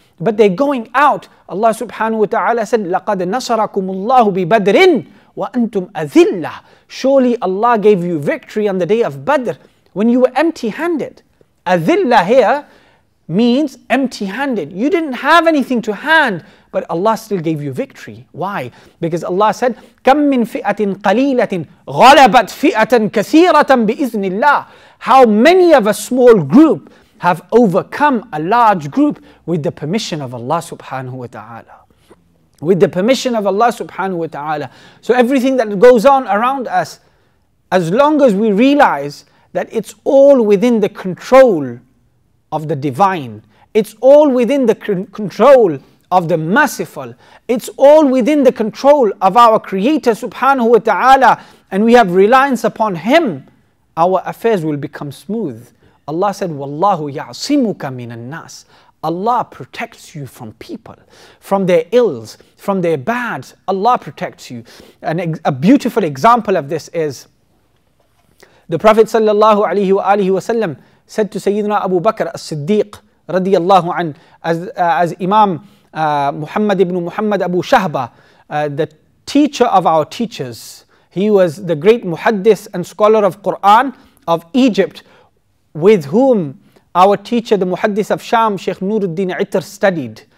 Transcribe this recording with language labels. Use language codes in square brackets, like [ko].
[en] But they're going out. Allah subhanahu wa ta'ala said, [ar] لَقَدْ نَصَرَكُمُ اللَّهُ بِبَدْرٍ وَأَنْتُمْ أَذِلَّةٌ. [en] Surely Allah gave you victory on the day of Badr when you were empty-handed. أَذِلَّةٌ here means empty-handed. You didn't have anything to hand, but Allah still gave you victory. Why? Because Allah said, [ar] كَمْ مِنْ فِئَةٍ قَلِيلَةٍ غَلَبَتْ فِئَةً كَثِيرَةً بِإِذْنِ اللَّهِ. [en] How many of a small group have overcome a large group with the permission of Allah subhanahu wa ta'ala. With the permission of Allah subhanahu wa ta'ala. So everything that goes on around us, as long as we realize that it's all within the control of the divine, it's all within the control of the merciful, it's all within the control of our Creator subhanahu wa ta'ala, and we have reliance upon Him, our affairs will become smooth. Allah said, [ar] وَاللَّهُ يَعْصِمُكَ مِنَ النَّاسِ. [en] Allah protects you from people, from their ills, from their bads. Allah protects you. And a beautiful example of this is the Prophet sallallahu alayhi wa alihi wasallam said to Sayyidina Abu Bakr as-Siddiq radiyallahu an, as Imam Muhammad ibn Muhammad Abu Shahba, the teacher of our teachers, he was the great muhaddith and scholar of Quran of Egypt, with whom our teacher, the muhaddith of Sham, Shaykh Nuruddin Itr, studied.